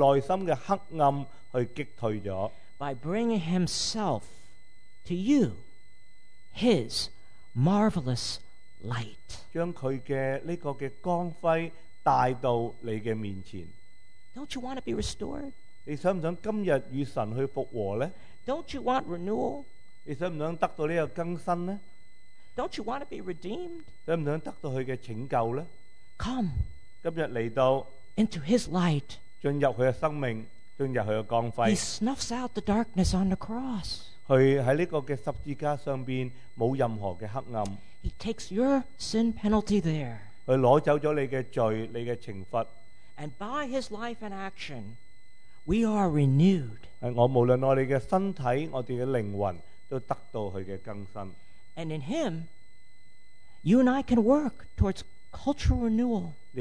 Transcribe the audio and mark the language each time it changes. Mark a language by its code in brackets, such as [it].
[zh] 他在那一刻将你内心的黑暗去击退了。 [en] By bringing himself to you, his marvelous light. [zh] 将他的光辉带到你的面前。 [en] Don't you want to be restored? [zh] 你想不想今日与神去复活呢？ [en] Don't you want renewal? [zh] 你想不想得到这个更新呢？ [en] Don't you want to be redeemed? [zh] 想不想得到他的拯救呢？ [en] Come [zh] 今天来到, [en] into his light. [zh] 进入他的生命, 进入他的光辉。 [en] He snuffs out the darkness on the cross. [zh] 他在这个十字架上没有任何的黑暗。 [en] He takes your sin penalty there. [zh] 他拿走了你的罪, 你的惩罚。 [en] And by his life and action, we are renewed. [zh] 无论我们的身体, 我们的灵魂, 都得到他的更新。 [en] And in him, you and I can work towards cultural renewal.